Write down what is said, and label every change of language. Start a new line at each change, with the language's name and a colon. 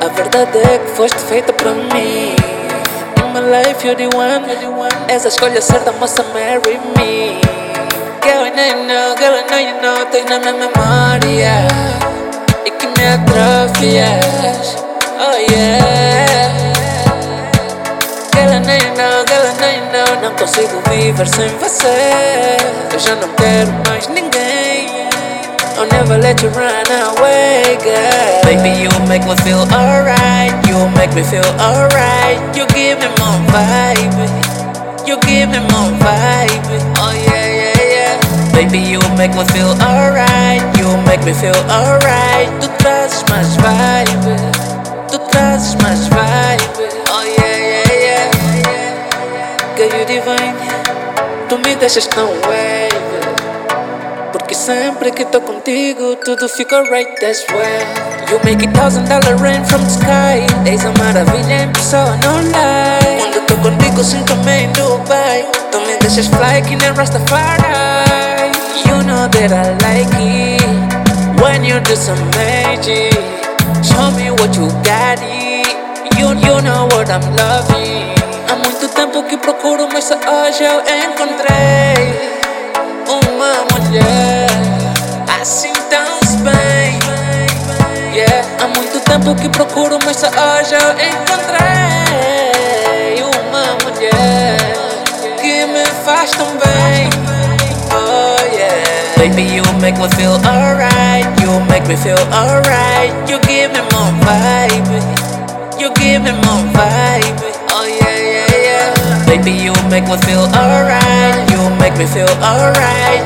Portuguese: A verdade é que foste feita pra mim.
English: Life, you're the one, you're the one.
Portuguese: Essa escolha certa, moça,
English: marry me. Girl, I know you know, girl, I know you know.
Portuguese: Tem na minha memória e que me atrofias.
English: Oh yeah. Girl, I know you know, girl, I know you know.
Portuguese: Não consigo viver sem você. Eu já não quero mais ninguém.
English: I'll never let you run away, girl. Baby, you make me feel alright. You make me feel alright. You give me more vibe. You give me more vibe. Oh yeah, yeah, yeah. Baby, you make me feel alright. You make me feel alright.
Portuguese: Tu trazes mais vibe. Tu trazes mais vibe.
English: Oh yeah, yeah, yeah. Girl, you divine.
Portuguese: Tu me deixas tão wave. Porque sempre que tô contigo, tudo fica
English: right as well. You make $1,000 rain from the sky.
Portuguese: Eis a maravilha em pessoa,
English: no lie.
Portuguese: Quando tô contigo, sinto-me em Dubai. Tu me deixas fly, que nem Rastafari.
English: You know that I like it. When you do some magic, show me what you got it. You know what I'm loving.
Portuguese: Há muito tempo que procuro, mas só hoje eu encontrei. Uma mulher assim tão bem, yeah. Há muito tempo que procuro, mas só hoje eu encontrei. Uma mulher que me faz tão bem.
English: Oh yeah. Baby, you make me feel alright. You make me feel alright. You give me more vibe. You give me more vibe. Oh yeah, yeah, yeah. Baby, you make me feel alright. You make me feel alright.